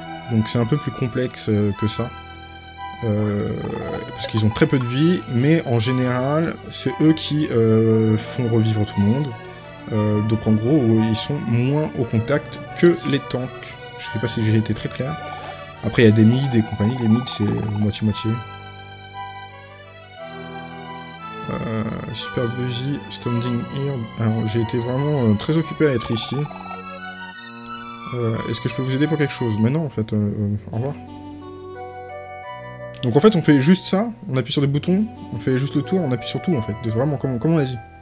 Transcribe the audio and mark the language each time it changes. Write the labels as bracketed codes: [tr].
[fr] Donc c'est un peu plus complexe que ça. Parce qu'ils ont très peu de vie, mais en général, c'est eux qui font revivre tout le monde. Donc en gros, ils sont moins au contact que les tanks. Je sais pas si j'ai été très clair. Après, il y a des mids et compagnie. Les mids, c'est moitié-moitié. [en] Super busy, standing here. [fr] Alors, j'ai été vraiment très occupé à être ici. Est-ce que je peux vous aider pour quelque chose? Mais non, en fait. Au revoir. Donc, en fait, on fait juste ça. On appuie sur des boutons. On fait juste le tour. On appuie sur tout, en fait. C'est vraiment, comme on a dit.